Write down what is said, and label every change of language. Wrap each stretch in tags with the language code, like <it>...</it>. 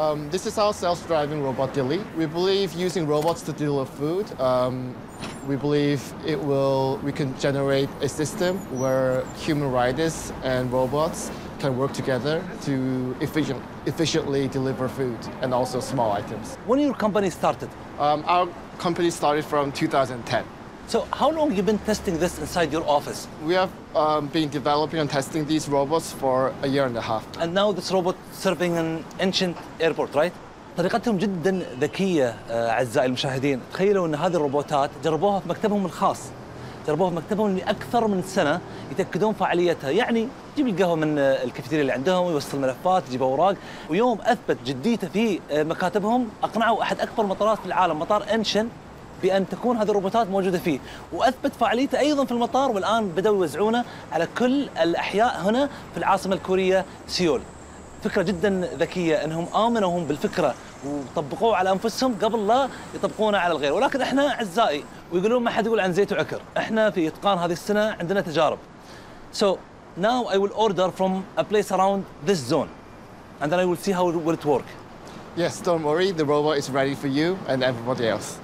<en>This is our self-driving robot, Dilly. We believe using robots to deliver food, we believe we can generate a system where human riders and robots can work together to efficiently deliver food and also small items. When your company started? Our company started from 2010. So how long have you been testing this inside your office? We have been developing and testing these robots for a year and a half. And now this robot serving an ancient airport, right?</en> <ar>طريقتهم جدا ذكية أعزائي المشاهدين. تخيلوا أن هذه الروبوتات جربوها في مكتبهم الخاص. جربوها في مكتبهم لأكثر من سنة يتأكدون فعاليتها. يعني يجيب القهوة من الكافيتيريا اللي عندهم ويوصل الملفات يجيب أوراق. ويوم أثبت جديته في مكاتبهم أقنعوا أحد أكبر مطارات في العالم مطار أنشن بأن تكون هذه الروبوتات موجودة فيه، وأثبت فعاليته أيضاً في المطار، والآن بدأوا يوزعونه على كل الأحياء هنا في العاصمة الكورية سيول. فكرة جداً ذكية أنهم آمنوا هم بالفكرة وطبقوه على أنفسهم قبل لا يطبقونه على الغير. ولكن إحنا أعزائي ويقولون ما حد يقول عن زيت وعكر، إحنا في إتقان هذه السنة عندنا تجارب.</ar> <en>So now I will order from a place around this zone. and then I will see how will it work. Yes, don't worry. The robot is ready for you and everybody else.</en>